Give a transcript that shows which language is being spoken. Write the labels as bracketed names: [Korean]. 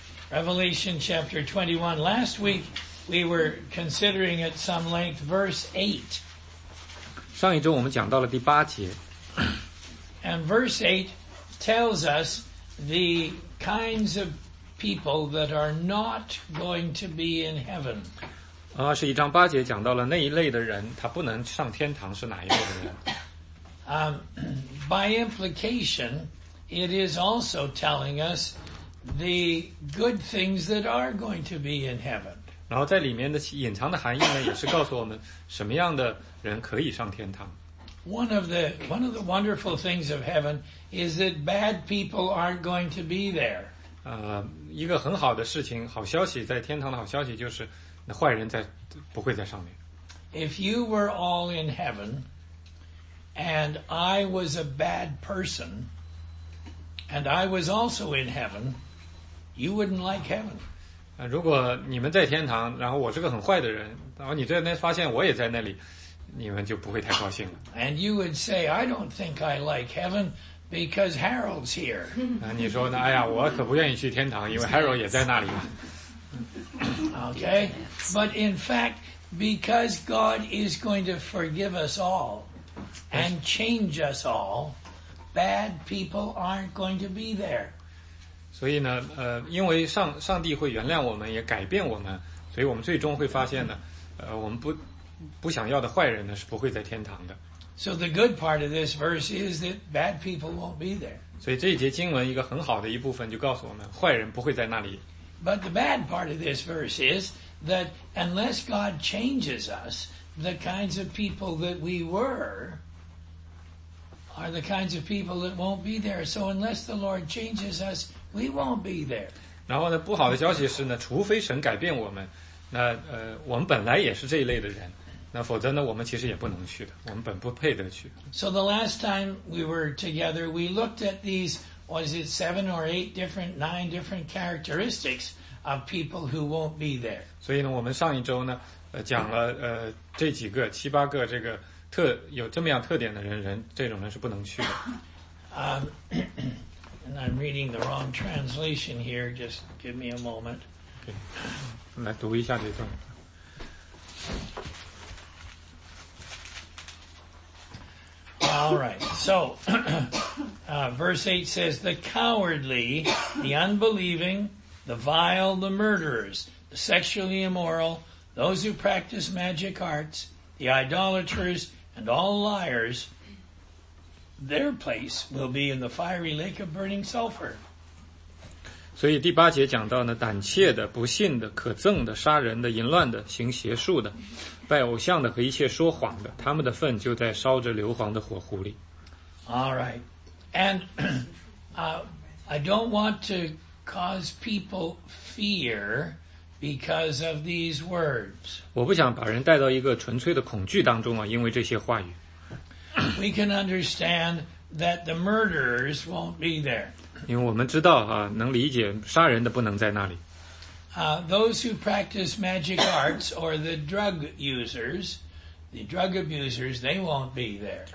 [English] Revelation chapter 21. Last week, we were considering at some length verse 8. [Chinese] 上一周我们讲到了第八节。 [English] And verse 8tells us the kinds of people that are not going to be in heaven. [Chinese] 二十一章八节讲到了那一类的人，他不能上天堂是哪一类的人？ [English] By implication, it is also telling us the good things that are going to be in heaven. [Chinese] 然后在里面的隐藏的含义呢，也是告诉我们什么样的人可以上天堂。 [English] One of the wonderful things of heaven is that bad people aren't going to be there. [Chinese] 一个很好的事情，好消息，在天堂的好消息就是，那坏人在不会在上面。 [English] If you were all in heaven, and I was a bad person, and I was also in heaven, you wouldn't like heaven. [Chinese] 如果你们在天堂，然后我是个很坏的人，然后你在那发现我也在那里。你们就不会太高兴了。 [English] And you would say, I don't think I like heaven because Harold's here. [Chinese] 那你说呢，哎呀，我可不愿意去天堂，因为 Harold 也在那里嘛。 [English] Okay, but in fact, because God is going to forgive us all and change us all, bad people aren't going to be there. [Chinese] 所以呢，因为上帝会原谅我们，也改变我们，所以我们最终会发现呢，我们不想要的坏人呢是不会在天堂的。 [English] So the good part of this verse is that bad people won't be there. [Chinese] 所以这一节经文一个很好的一部分就告诉我们坏人不会在那里。 [English] But the bad part of this verse is that unless God changes us, the kinds of people that we were are the kinds of people that won't be there. So unless the Lord changes us, we won't be there. [Chinese] 然后呢，不好的消息是呢，除非神改变我们。那我们本来也是这一类的人，那否则呢，我们其实也不能去的，我们本不配得去。 [English] So the last time we were together, we looked at these, was it seven or eight different, nine different characteristics of people who won't be there. [Chinese] 所以呢，我们上一周呢，讲了这几个七八个这个特有这么样特点的人，这种人是不能去的。 [English] And I'm reading the wrong translation here. Just give me a moment. Okay. [Chinese] 来读一下这段。 [English] All right. So, verse 8 says, the cowardly, the unbelieving, the vile, the murderers, the sexually immoral, those who practice magic arts, the idolaters, and all liars, their place will be in the fiery lake of burning sulfur. [Chinese] 所以第八节讲到呢，胆怯的、不信的、可憎的、杀人的、淫乱的、行邪术的、拜偶像的和一切说谎的，他们的份就在烧着硫磺的火湖里。 [English] All right, and I don't want to cause people fear because of these words. [Chinese] 我不想把人带到一个纯粹的恐惧当中啊，因为这些话语。 [English] We can understand that the murderers won't be there. [Chinese] 因为我们知道啊，能理解杀人的不能在那里。 [English] Those who practice magic arts or the drug users, the drug abusers, they won't be there.